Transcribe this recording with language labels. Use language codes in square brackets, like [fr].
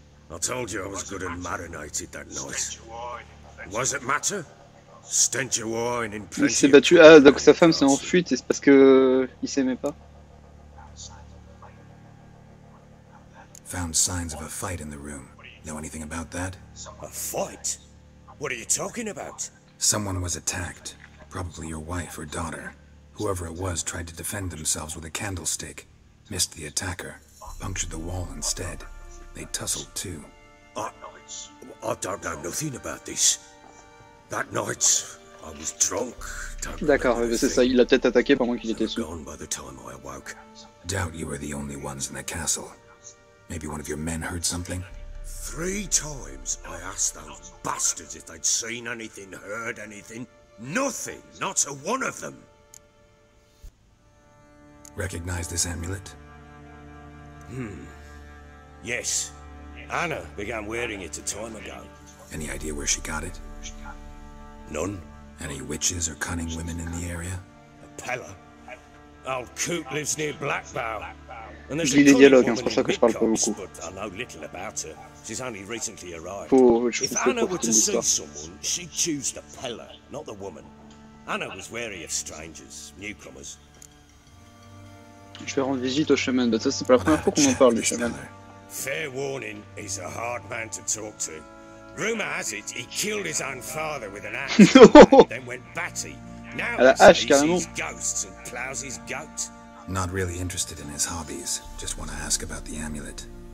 [en] I told you I was good and marinated that night. Was it matter? [fr] Il s'est battu. Ah, donc sa femme s'est enfuite et c'est parce que il s'aimait pas. [en] Found signs of a fight in the room. Know anything about that? A fight? What are you talking about? Someone was attacked. Probably your wife or daughter. Whoever it was tried to defend themselves with a candlestick. Missed the attacker. Punctured the wall instead. They tussled too. I don't know nothing about this. That night, I was drunk. [fr] D'accord, mais c'est ça, il a peut-être attaqué pendant qu'il était sous. [en] By the time I awoke. Doubt you were the only ones in the castle. Maybe one of your men heard something? Three times I asked those bastards if they'd seen anything, heard anything. Nothing, not a one of them. Recognize this amulet? Yes. Anna began wearing it a time ago. Any idea where she got it? None. Any witches or cunning women in the area? A Pella. Old Coot lives near Blackbow. And there's a cunning woman in Midcox, but I know little about her. She's only recently arrived. If Anna were to see someone, she'd choose the Pella, not the woman. Anna was wary of strangers, newcomers. [fr] Je vais rendre visite au chaman, mais ça c'est pas la première fois qu'on en parle du chaman. [en] Fair warning, he's a hard man to talk to. Rumor has it, he killed his own father with an axe, then went batty. Now he sees his ghosts and plows his goat. Not really interested in his hobbies, just want to ask about the amulet.